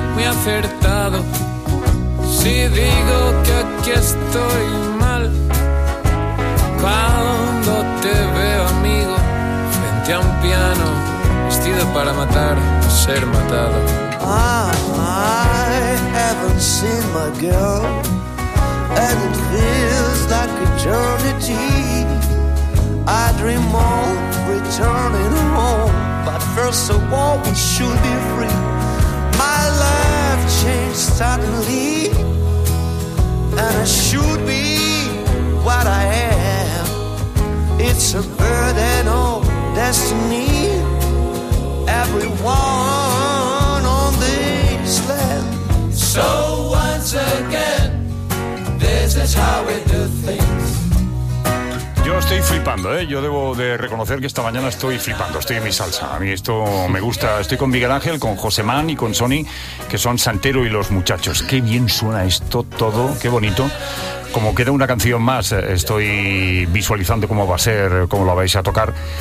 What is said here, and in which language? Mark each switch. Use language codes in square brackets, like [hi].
[es] Acertado, si digo que aquí estoy mal, cuando te veo amigo, frente a un piano, vestido para matar, ser matado. [en] I haven't seen my girl, and it feels like eternity. I dream of returning home, but first of all we should be free. My life changed suddenly, and I should be what I am. It's a burden of destiny. Everyone on this land. So once again, this is how we do things. [es] Yo estoy flipando, ¿eh? Yo debo de reconocer que esta mañana estoy flipando, estoy en mi salsa. A mí esto me gusta. Estoy con Miguel Ángel, con José Man y con Sony, que son Santero y los muchachos. Qué bien suena esto todo, qué bonito. Como queda una canción más, estoy visualizando cómo va a ser, cómo lo vais a tocar.